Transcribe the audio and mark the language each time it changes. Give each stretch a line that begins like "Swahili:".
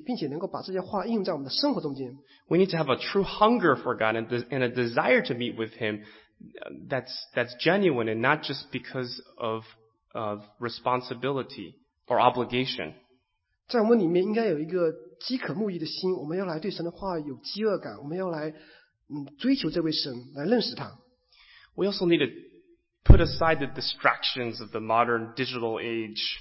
Chinese: 当我们在读主的话的时候呢，我们需要慢慢的读，我们需要细细的咀嚼，我们需要来默想这些话，我们需要来进入这个话的真实的意义里面去，并且能够把这些话应用在我们的生活中间。
English: We need to have a true hunger for God and a desire to meet with Him that's genuine and not just because of responsibility or obligation.
Chinese: 在我们里面应该有一个饥渴慕义的心，我们要来对神的话有饥饿感，我们要来追求这位神，来认识他。
English: We also need to put aside the distractions of the modern digital age.